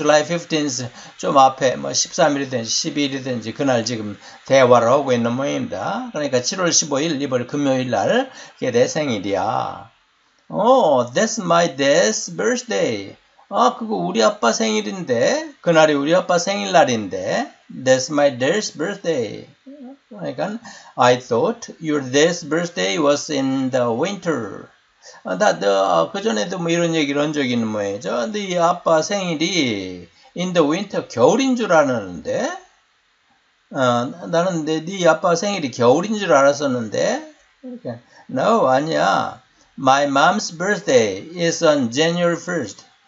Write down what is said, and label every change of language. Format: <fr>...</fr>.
<ko>July 15th 좀 앞에 뭐 13일이든지 12일이든지 그날 지금 대화를 하고 있는 모양이다. 그러니까 7월 15일 이번 금요일 날 그게 내 생일이야.</ko> <en>Oh, that's my dad's birthday.</en> <ko>그거 우리 아빠 생일인데. 그날이 우리 아빠 생일날인데.</ko> <en>That's my dad's birthday. 그러니까 I thought your dad's birthday was in the winter.</en> <ko>그전에도 뭐 이런 얘기를 한 적이 있는 모양이죠. 네 아빠 생일이</ko> <en>in the winter,</en> <ko>겨울인 줄 알았는데. 나는 네 아빠 생일이 겨울인 줄 알았었는데.</ko> <en>그러니까, no, 아니야. My mom's birthday is on January 1st.</en>